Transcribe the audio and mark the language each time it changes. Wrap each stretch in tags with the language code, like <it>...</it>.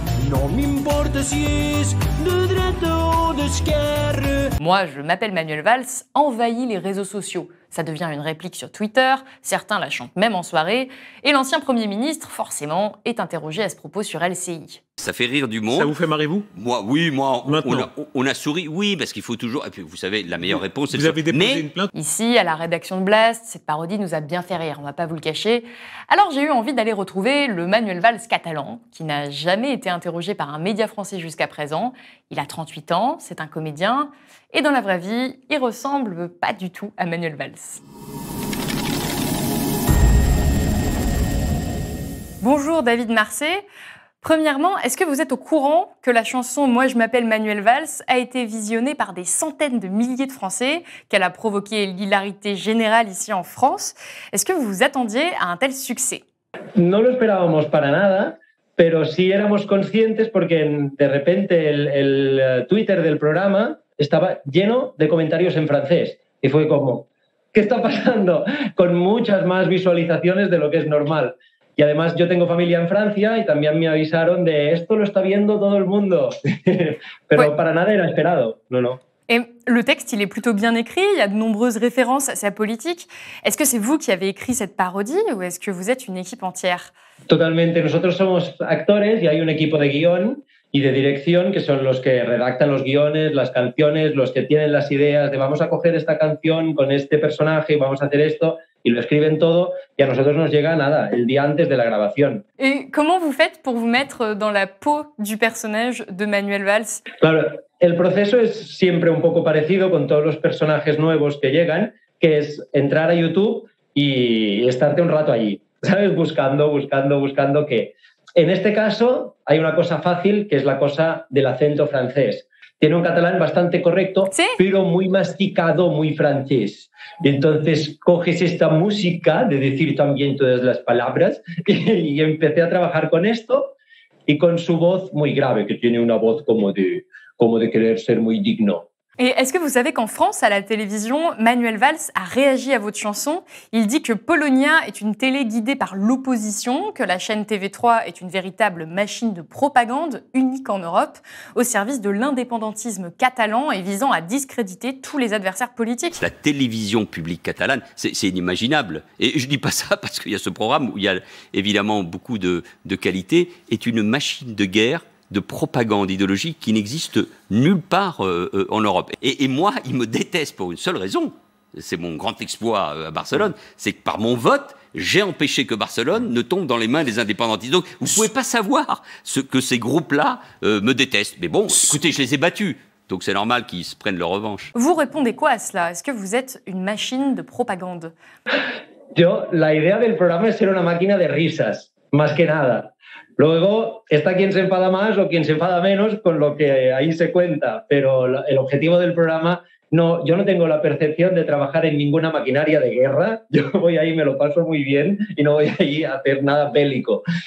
<ca>No m'importa si és de dreta o d'esquerra.</ca> <fr>Moi, je m'appelle Manuel Valls, envahit les réseaux sociaux. Ça devient une réplique sur Twitter, certains la chantent même en soirée, et l'ancien Premier ministre, forcément, est interrogé à ce propos sur LCI. Ça fait rire du monde. Ça vous fait marrer, vous ? Moi, oui, moi, on a souri, oui, parce qu'il faut toujours... Et puis, vous savez, la meilleure réponse, c'est... Vous avez déposé mais... une plainte ? Ici, à la rédaction de Blast, cette parodie nous a bien fait rire, on va pas vous le cacher. Alors, j'ai eu envie d'aller retrouver le Manuel Valls catalan, qui n'a jamais été interrogé par un média français jusqu'à présent. Il a 38 ans, c'est un comédien, et dans la vraie vie, il ressemble pas du tout à Manuel Valls. Bonjour David Marsay. Premièrement, est-ce que vous êtes au courant que la chanson « Moi je m'appelle Manuel Valls » a été visionnée par des centaines de milliers de Français, qu'elle a provoqué l'hilarité générale ici en France? Est-ce que vous vous attendiez à un tel succès?</fr> <es>No lo esperábamos para nada, pero sí éramos conscientes porque de repente el Twitter del programa estaba lleno de comentarios en francés y fue como... ¿Qué está pasando? Con muchas más visualizaciones de lo que es normal. Y además yo tengo familia en Francia y también me avisaron de esto lo está viendo todo el mundo. Pero</es> <fr>ouais.</fr> <es>Para nada era esperado. No, no.</es> <fr>Et le texte, il est plutôt bien écrit, il y a de nombreuses références à sa politique. Est-ce que c'est vous qui avez écrit cette parodie ou est-ce que vous êtes une équipe entière?</fr> <es>Totalmente. Nosotros somos actores y hay un equipo de guion y de dirección que son los que redactan los guiones, las canciones, los que tienen las ideas de vamos a coger esta canción con este personaje y vamos a hacer esto y lo escriben todo y a nosotros nos llega nada el día antes de la grabación. ¿Y cómo</es> <fr>vous faites pour vous mettre dans la peau du personnage de Manuel Valls?</fr> <es>Claro, el proceso es siempre un poco parecido con todos los personajes nuevos que llegan, que es entrar a YouTube y estarte un rato allí, ¿sabes? Buscando qué. En este caso hay una cosa fácil, que es la cosa del acento francés. Tiene un catalán bastante correcto, ¿sí? Pero muy masticado, muy francés. Y entonces coges esta música de decir también todas las palabras y empecé a trabajar con esto y con su voz muy grave, que tiene una voz como de querer ser muy digno.</es> <fr>Et est-ce que vous savez qu'en France, à la télévision, Manuel Valls a réagi à votre chanson? Il dit que Polonia est une télé guidée par l'opposition, que la chaîne TV3 est une véritable machine de propagande unique en Europe, au service de l'indépendantisme catalan et visant à discréditer tous les adversaires politiques. La télévision publique catalane, c'est inimaginable. Et je ne dis pas ça parce qu'il y a ce programme où il y a évidemment beaucoup de qualité, est une machine de guerre, de propagande idéologique qui n'existe nulle part en Europe. Et moi, ils me détestent pour une seule raison, c'est mon grand exploit à Barcelone, c'est que par mon vote, j'ai empêché que Barcelone ne tombe dans les mains des indépendantistes. Donc, vous ne pouvez pas savoir ce que ces groupes-là me détestent. Mais bon, écoutez, je les ai battus, donc c'est normal qu'ils se prennent leur revanche. Vous répondez quoi à cela? Est-ce que vous êtes une machine de propagande?</fr> <es>Yo, la idea del programa es ser una máquina de risas, más que nada. Luego está quien se enfada más o quien se enfada menos con lo que ahí se cuenta, pero el objetivo del programa, no, yo no tengo la percepción de trabajar en ninguna maquinaria de guerra, yo voy ahí, me lo paso muy bien y no voy ahí a hacer nada bélico.</es>